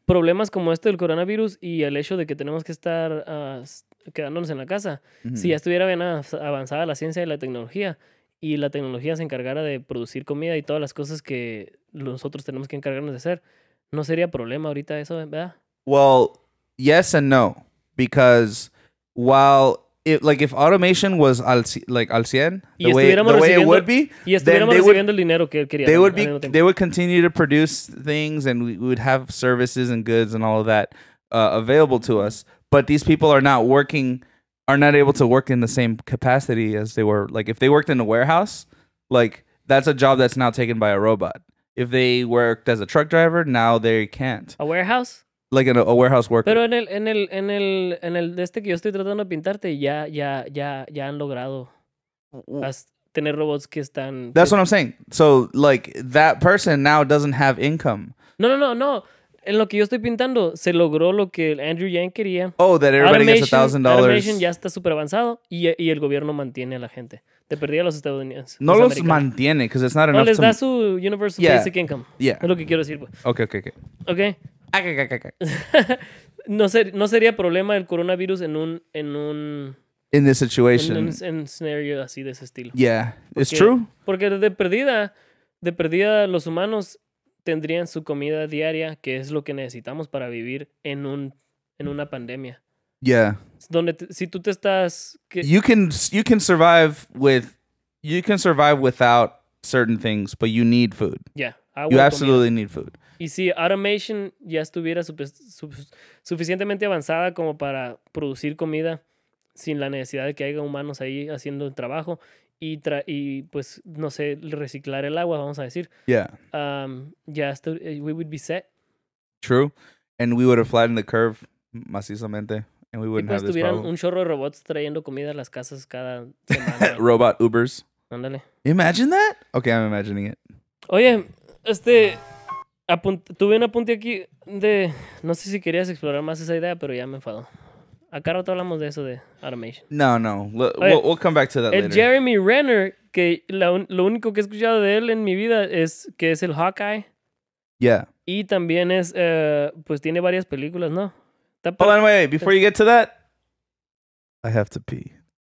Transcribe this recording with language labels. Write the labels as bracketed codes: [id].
[es] Problemas como este del coronavirus y el hecho de que tenemos que estar quedándonos en la casa. Mm-hmm. Si ya estuviera bien avanzada la ciencia y la tecnología, y la tecnología se encargara de producir comida y todas las cosas que nosotros tenemos que encargarnos de hacer, no sería problema ahorita eso, ¿verdad? [en] Well... Yes and no, because while it, like if automation was [es] al cien, [en] the way it would be, then they would continue to produce things and we would have services and goods and all of that available to us. But these people are not able to work in the same capacity as they were. Like if they worked in a warehouse, like that's a job that's now taken by a robot. If they worked as a truck driver, now they can't. A warehouse? Like in a warehouse worker. [es] Pero en el de este que yo estoy tratando de pintarte ya han logrado tener robots que están. [en] That's what I'm saying. So like that person now doesn't have income. [es] No. En lo que yo estoy pintando se logró lo que Andrew Yang quería. [en] Oh, that everybody gets $1,000. [es] Automation ya está super avanzado y el gobierno mantiene a la gente. Te perdí a los estadounidenses. No los mantiene, [en] because it's not enough. [es] No les da su universal basic income. [en] Yeah. [es] Es lo que quiero decir. [en] Okay. [es] No sería problema el coronavirus en un [en] in this situation [es] en scenario así de ese estilo. [en] Yeah, [es] porque, [en] it's true. [es] Porque de perdida los humanos tendrían su comida diaria, que es lo que necesitamos para vivir en una pandemia. [en] Yeah. [es] Donde si tú te estás que, [en] you can survive without certain things, but you need food. Yeah. You absolutely need food. [es] Y si automation ya estuviera suficientemente avanzada como para producir comida sin la necesidad de que haya humanos ahí haciendo el trabajo y pues, no sé, reciclar el agua, vamos a decir. [en] Yeah. We would be set. True. And we would have flattened the curve [es] macizamente. [en] And we wouldn't [es] pues [en] have this problem. [es] Y tuvieran un chorro de robots trayendo comida a las casas cada semana. [en] Robot Ubers. [es] Ándale. [en] Imagine that? Okay, I'm imagining it. [es] Oye, tuve un apunte aquí de... No sé si querías explorar más esa idea, pero ya me enfado. Acá rato hablamos de eso de automation. [en] No. We'll come back to that later. [es] El Jeremy Renner, que lo único que he escuchado de él en mi vida es que es el Hawkeye. [en] Yeah. [es] Y también es... pues tiene varias películas, ¿no? [en] Hold on, wait. Before you get to that, I have to pee.